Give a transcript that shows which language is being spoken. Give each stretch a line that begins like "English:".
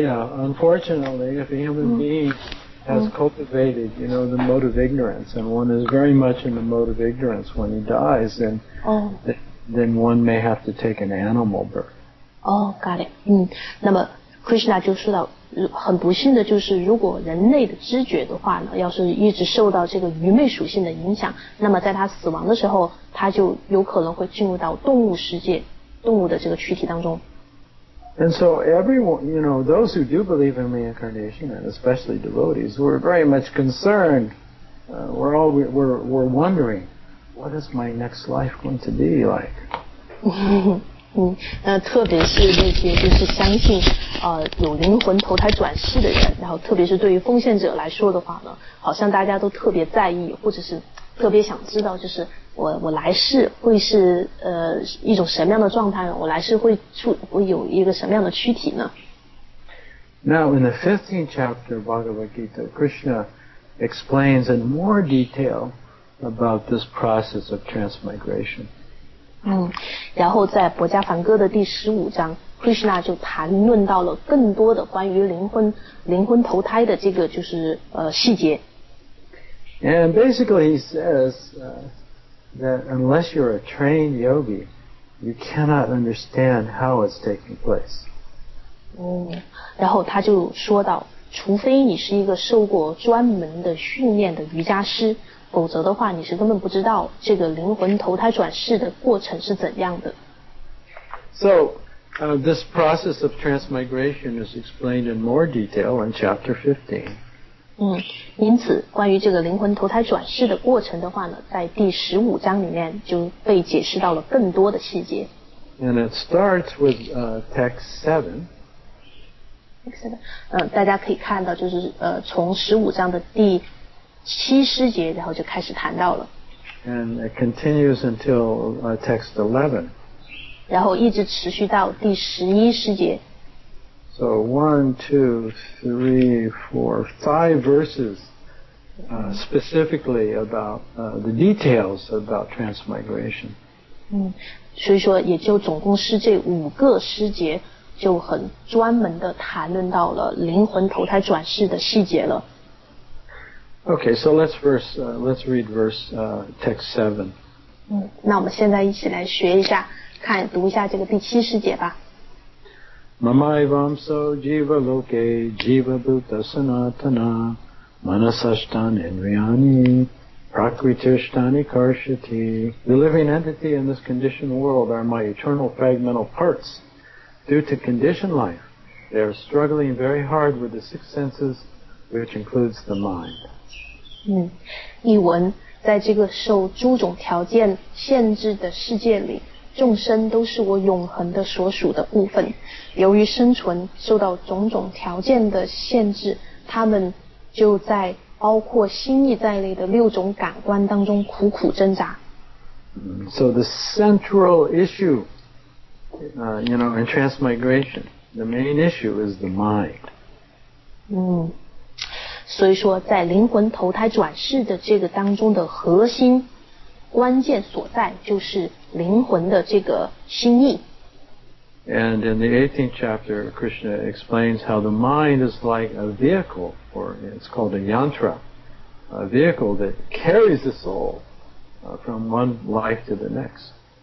English: Unfortunately, if a human being has cultivated, you know, the mode of ignorance, and one is very much in the mode of ignorance when he dies, then one may have to take an animal birth. Oh, got it.
Chinese: 那么 Krishna 就说到，很不幸的就是，如果人类的知觉的话呢，要是一直受到这个愚昧属性的影响，那么在他死亡的时候，他就有可能会进入到动物世界，动物的这个躯体当中。
English: And so everyone, you know, those who do believe in reincarnation, and especially devotees, we're very much concerned. We're wondering, what is my next life going to be like?
Chinese: 特别是那些就是相信有灵魂投胎转世的人，然后特别是对于奉献者来说的话呢，好像大家都特别在意，或者是特别想知道，就是我来世会是一种什么样的状态呢？我来世会有一个什么样的躯体呢？
English: Now in the 15th chapter of Bhagavad Gita, Krishna explains in more detail about this process of transmigration.
Chinese: 然后在《薄伽梵歌》的第十五章， Krishna 就谈论到了更多的关于灵魂投胎的这个就是细节。
English: And basically he says, that unless you're a trained yogi, you cannot understand how it's taking place.
Chinese: 然后他就说到，除非你是一个受过专门的训练的瑜伽师，否则的话你是根本不知道这个灵魂投胎转世的过程是怎样的。
English: So, this process of transmigration is explained in more detail in chapter 15.
Chinese: 因此关于这个灵魂投胎转世的过程的话呢，在第十五章里面就被解释到了更多的细节。
English: And it starts with text 7. Text 7,
Chinese: 大家可以看到就是从十五章的第七诗节然后就开始谈到了。
English: And it continues until text 11.
Chinese: 然后一直持续到第十一世节。
English: So 1, 2, 3, 4, 5 verses specifically about the details about transmigration.
Chinese: 所以说也就总共是这五个诗节就很专门的谈论到了灵魂投胎转世的细节了。
English: Okay, so let's read verse text 7.
Chinese: 那我们现在一起来学一下，看读一下这个第七诗节吧。
Sanskrit: Mamai vamso jiva loke jiva bhuta sanatana manasashtani nriyani prakritishtani karshati.
English: The living entity in this conditioned world are my eternal fragmental parts. Due to conditioned life, they are struggling very hard with the six senses, which includes the mind.
Chinese: 译文，在这个受诸种条件限制的世界里，众生都是我永恒的所属的部分。由于生存受到种种条件的限制，他们就在包括心意在内的六种感官当中苦苦挣扎。
English: So the central issue, you know, in transmigration, the main issue is the mind.
Chinese: 所以说在灵魂投胎转世的这个当中的核心关键所在就是灵魂的这个心意。
English: And in the 18th chapter, Krishna explains how the mind is like a vehicle, or it's called a yantra, a vehicle that carries the soul from one life to the next.